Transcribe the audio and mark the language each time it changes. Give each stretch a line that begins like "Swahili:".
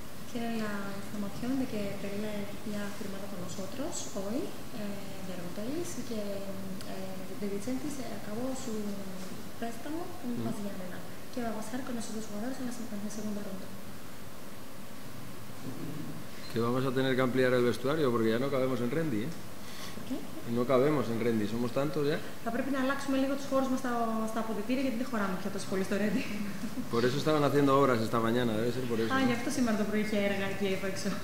Spanish: Quiero la información de que Pelé ya ha firmado con nosotros hoy, de Rotelis, y que De Vicentis acabó su préstamo en Pazianena. ¿Qué va a pasar con esos dos jugadores en la segunda ronda? Que vamos a tener que ampliar el vestuario, porque ya no cabemos en Rendi, ¿eh? ¿Qué? No cabemos en Rendi, somos tantos ya.
Greek: Θα πρέπει να αλλάξουμε λίγο τους χώρους μας στα αποδυτήρια γιατί δεν χωράμε πια τόσο πολύ στο Rendi.
Spanish: Por eso estaban haciendo obras esta mañana, debe ser por eso.
Greek: Α, γι' αυτό σήμερα το πρωί είχε έργα εκεί έξω.